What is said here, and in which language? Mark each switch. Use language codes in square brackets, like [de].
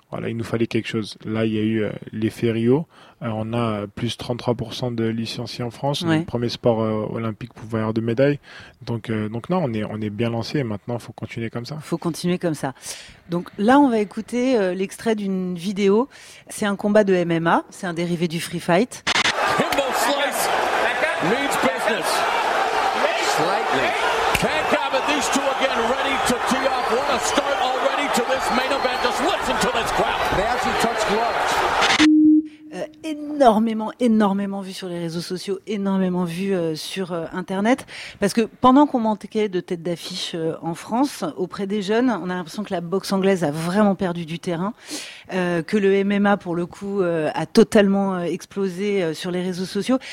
[fr] Voilà, il nous fallait quelque chose. Là, il y a eu l'effet Rio. On a plus 33% de licenciés en France. Ouais. Le premier sport olympique pouvoir de médaille. Donc non, on est bien lancé. Maintenant, faut continuer comme ça. Faut continuer comme ça. Donc là, on va écouter l'extrait d'une vidéo. C'est un combat de MMA. C'est un dérivé du free fight. [en] Kimball slice means business. Slightly. Can't grab it. These two again ready to tee off. What a start already to this main event. Just listen to this crowd. They actually touch gloves. [fr] Énormément vu sur les réseaux sociaux, énormément vu sur Internet. Parce que pendant qu'on manquait de tête d'affiche en France, auprès des jeunes, on a l'impression que la boxe anglaise a vraiment perdu du terrain, que le MMA, pour le coup, a totalement explosé sur les réseaux sociaux.